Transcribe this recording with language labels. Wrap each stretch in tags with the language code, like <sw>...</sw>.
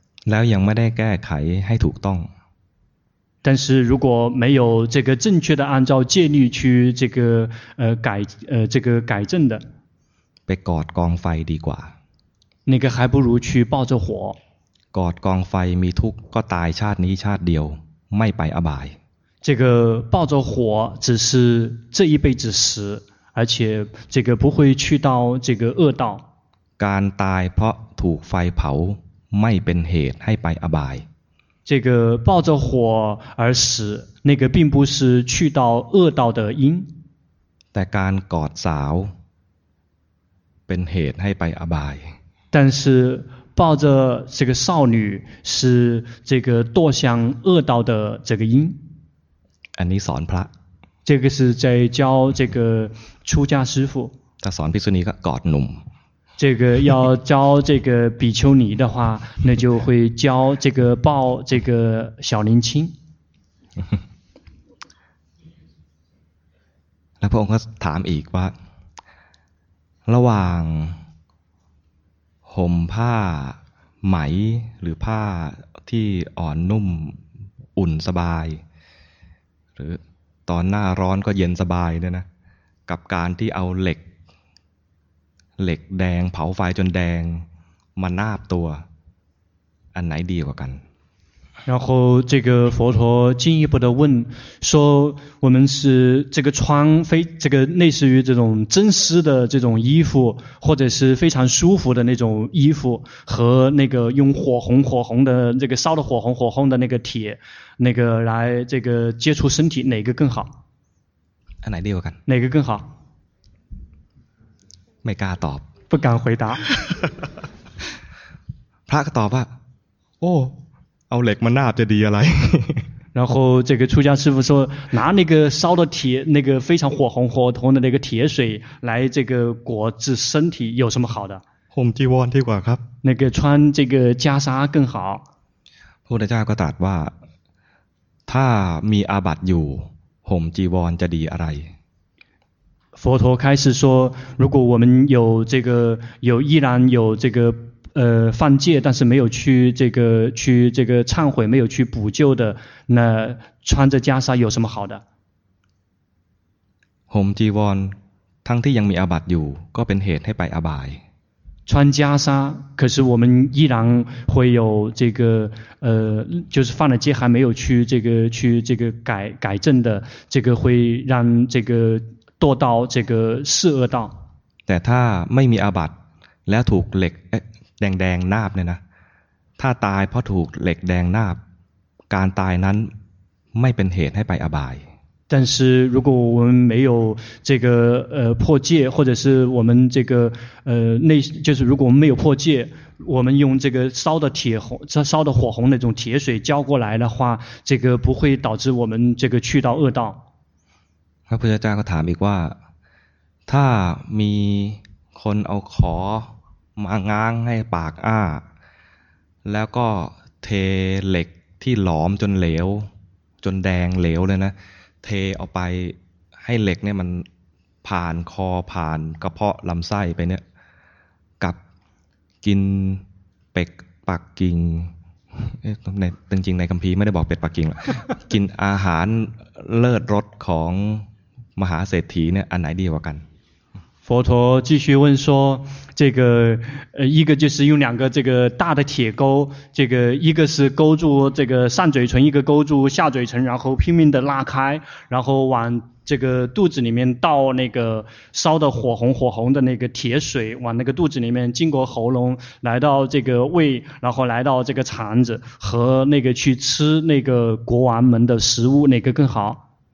<th>แล้วยังไม่ได้แก้ไขให้ถูกต้อง</th> <zh>但是如果没有这个正确的按照戒律去这个改这个改正的</zh> <th>ไปกอดกองไฟดีกว่า</th> <zh>那个还不如去抱着火</zh> <th>กอดกองไฟมีทุกข์ก็ตายชาตินี้ชาติเดียวไม่ไปอบาย</th> <zh>这个抱着火只是这一辈子死而且这个不会去到这个恶道</zh> <th>การตายเพราะถูกไฟเผาไม่เป็นเหตุให้ไปอบาย</th> <zh>这个抱着火而死那个并不是去到恶道的因</zh> <th>แต่การกอดสาวเป็นเหตุให้ไปอบาย</th> <zh>但是抱着这个少女是这个堕向恶道的这个因</zh> <th>อันนี้สอนพระ</th> <zh>这个是在教这个出家师父</zh> <th>ถ้าสอนภิกษุณีก็กอดหนุ่ม</th> <zh>这个要教这个比丘尼的话那就会教这个抱这个小年轻</zh> <th>แล้วพระองค์ก็ถามอีกว่าระหว่างห่มผ้าไหมหรือผ้าที่อ่อนนุ่มอุ่นสบายหรือตอนหน้าร้อนก็เย็นสบายเนี่ยนะกับการที่เอาเหล็กแดงเผาไฟจนแดงมานาบตัวอันไหนดีกว่ากัน</th> <zh>然后这个佛陀进一步的问说我们是这个穿非这个类似于这种真丝的这种衣服或者是非常舒服的那种衣服和那个用火红的这个烧的火红的那个铁那个来这个接触身体哪个更好哪个更好哪个更好没敢答不敢回答</zh> <th>พระก็ตอบว่าโอ้เอาเหล็กมาหนาบจะดีอะไร</th> <zh>然后这个出家师父说拿那个烧的铁那个非常火红的那个铁水来这个裹治身体有什么好的</zh> <th>ห่มจีวรดีกว่าครับ</th> <zh>那个穿这个袈裟更好</zh> <th>พระพุทธเจ้าก็ตรัสว่าถ้ามีอาบัติอยู่ห่มจีวรจะดีอะไร</th> <zh>佛陀开始说，如果我们有这个有依然有这个犯戒，但是没有去这个去这个忏悔，没有去补救的，那穿着袈裟有什么好的？</zh> <th>ห่มจีวรทั้งที่ยังมีอาบัติอยู่ก็เป็นเหตุให้ไปอาบาย</th> <zh>穿袈裟，可是我们依然会有这个就是犯了戒还没有去这个去这个改正的，这个会让这个堕到这个四恶道。</zh> <th>แต่ถ้าไม่มีอาบัติแล้วถูกเหล็กแดงนาบเนี่ยนะถ้าตายเพราะถูกเหล็กแดงนาบการตายนั้นไม่เป็นเหตุให้ไปอบาย</th> <zh>但是如果我们没有这个破戒，或者是我们这个内，就是如果我们没有破戒，我们用这个烧的铁红，烧的火红那种铁水浇过来的话，这个不会导致我们这个去到恶道。</zh> <th>พระพุทธเจ้าก็ถามอีกว่าถ้ามีคนเอาขอมาง้างให้ปากอ้าแล้วก็เทเหล็กที่หลอมจนเหลวจนแดงเหลวเลยนะเทเอาไปให้เหล็กเนี่ยมันผ่านคอผ่านกระเพาะลำไส้ไปเนี่ยกับกินเป็ดปักกิ่ง ในจริงๆในคัมภีร์ไม่ได้บอกเป็ดปักกิ่งหรอกกินอาหารเลิศรสของมหาเศรษฐีเนี่ยอันไหนดีกว่ากัน</th> <zh>佛陀继续问说，这个一个就是用两个这个大的铁钩，这个一个是勾住这个上嘴唇，一个勾住下嘴唇，然后拼命的拉开，然后往这个肚子里面倒那个烧的火红火红的那个铁水，往那个肚子里面经过喉咙来到这个胃，然后来到这个肠子和那个去吃那个国王们的食物，哪个更好？</zh>